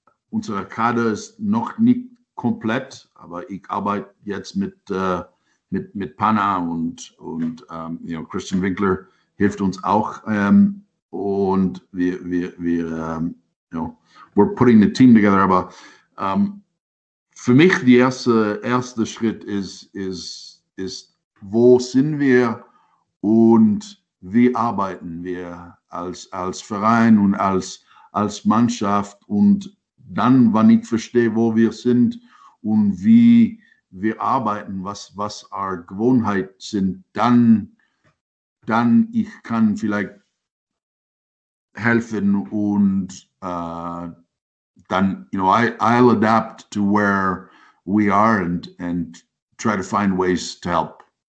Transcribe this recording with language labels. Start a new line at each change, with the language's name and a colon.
German: Unser Kader ist noch nicht komplett, aber ich arbeite jetzt mit Pana und Christian Winkler hilft uns auch.
English: Und we're putting the team together.
German: Aber für mich der erste Schritt ist, wo sind wir und wie arbeiten wir als Verein und als Mannschaft? Und dann, wenn ich verstehe, wo wir sind und wie wir arbeiten, was our Gewohnheiten sind, dann ich kann vielleicht helfen und dann,
English: I'll adapt to where we are and try to find ways to help.